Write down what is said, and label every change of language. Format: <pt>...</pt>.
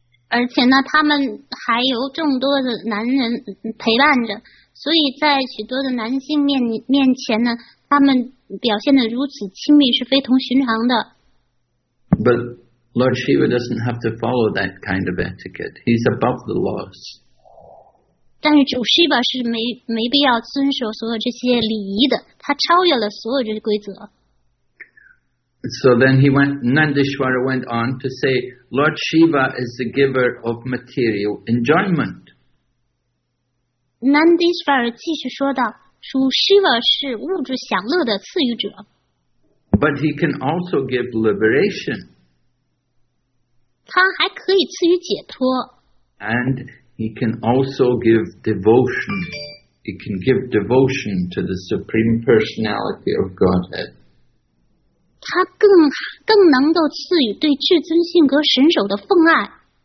<zh>而且呢，他们还有众多的男人陪伴着，所以在许多的男性面前呢，他们表现得如此亲密是非同寻常的。</zh> <en>But Lord Shiva doesn't have to follow that kind of etiquette. He's above the laws.</en> <zh>但是主 Shiva 是没必要遵守所有这些礼仪的，他超越了所有这些规则。</zh> <en>So then he went, Nandishwara went on to say, Lord Shiva is the giver of material enjoyment.</en> <zh>Nandishwara 继续说道，主 Shiva 是物质享乐的赐予者。</zh> <en>But he can also give liberation.</en> <zh>他还可以赐予解脱。</zh> <en>And he can also give devotion. He can give devotion to the Supreme Personality of Godhead.</en> <zh>他更能够赐予对至尊性格神首的奉爱。</zh>